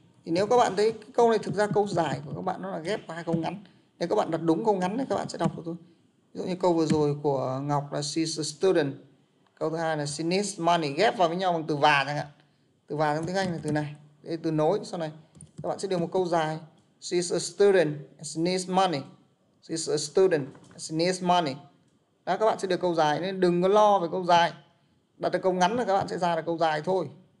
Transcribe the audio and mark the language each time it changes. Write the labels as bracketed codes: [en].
[vi] Thì nếu các bạn thấy cái câu này thực ra câu dài của các bạn nó là ghép vào hai câu ngắn. Nếu các bạn đặt đúng câu ngắn thì các bạn sẽ đọc được thôi. Ví dụ như câu vừa rồi của Ngọc là [en] she's a student. [vi] Câu thứ hai là [en] she needs money, [vi] ghép vào với nhau bằng từ và chẳng hạn. Từ và trong tiếng Anh là từ này. Đây từ nối sau này. Các bạn sẽ được một câu dài. [en] She's a student, she needs money. She's a student, she needs money. [vi] Đó các bạn sẽ được câu dài nên đừng có lo về câu dài. Đặt được câu ngắn là các bạn sẽ ra được câu dài thôi.